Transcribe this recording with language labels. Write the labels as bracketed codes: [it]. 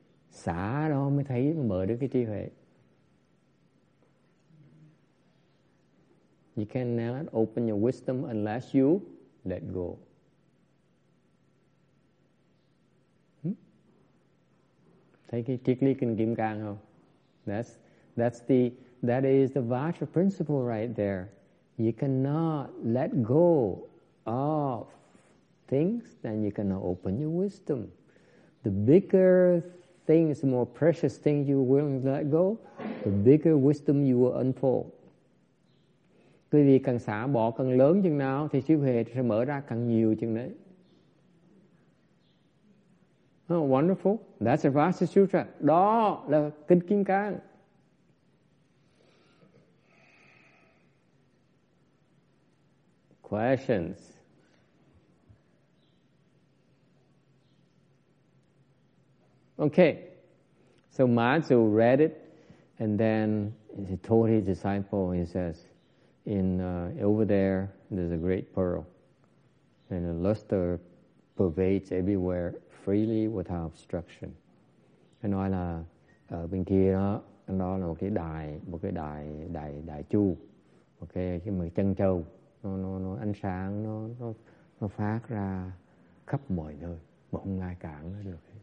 [vi] Xả đó mới thấy mở được cái trí huệ. [en] You cannot open your wisdom unless you let go. [vi] Thấy cái triết lý kinh Kim Cang không? [en] That is the Vajra principle right there. You cannot let go of things, then you cannot open your wisdom. The bigger things, the more precious things you will let go, the bigger wisdom you will unfold. [vi] Quý vị càng xả bỏ càng lớn chừng nào thì trí huệ sẽ mở ra càng nhiều chừng đấy. [en] Oh, wonderful. That's a Vajra Sutra. [vi] Đó là kinh Kim Cang. [en] Questions? Okay. So Matsu read it, and then he told his disciple, he says, over there, there's a great pearl, and the luster pervades everywhere freely without obstruction. [vi] Anh nói là ở bên kia đó, đó là một cái đài chu, cái mười chân châu, nó ánh sáng nó phát ra khắp mọi nơi mà không ai cản nó được.